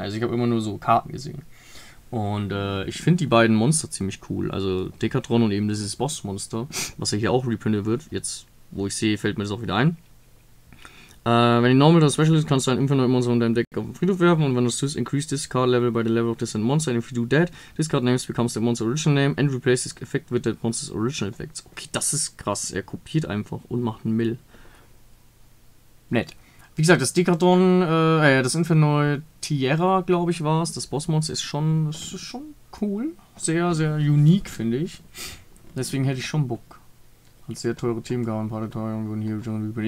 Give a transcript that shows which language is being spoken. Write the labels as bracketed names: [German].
[German] Also ich habe immer nur so Karten gesehen. Und ich finde die beiden Monster ziemlich cool. Also Decathlon und eben dieses Boss-Monster, was ja hier auch reprintet wird. Jetzt, wo ich sehe, fällt mir das auch wieder ein. Wenn die Normal oder Special ist, kannst du ein Infernoid Monster in deinem Deck auf den Friedhof werfen. Und wenn du es tust, [English] increase this card level by the level of this end monster. And if you do that, this card name becomes the monster's original name and replace this effect with that monster's original effects. [German] Okay, das ist krass. Er kopiert einfach und macht einen Mill. Nett. Wie gesagt, das Decathlon, das Infernoid Tierra, glaube ich, war es. Das Bossmonster ist schon cool. Sehr, sehr unique, finde ich. Deswegen hätte ich schon Bock. Und sehr teure Teamgaben, ein paar der teuren wurden hier schon übrig.